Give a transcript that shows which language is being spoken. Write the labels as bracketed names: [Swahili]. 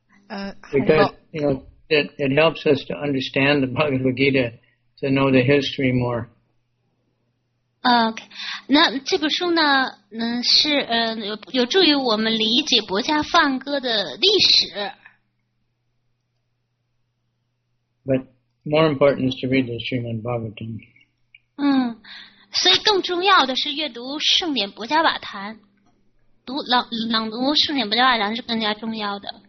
[English] Because, it helps us to understand the Bhagavad Gita, to know the history more. Okay. [Chinese] 那这本书呢，是有助于我们理解薄伽梵歌的历史。 [English] But more important is to read the Srimad Bhagavatam. [Chinese] 所以更重要的是阅读圣典薄伽瓦坛。朗读圣典薄伽瓦坛是更加重要的。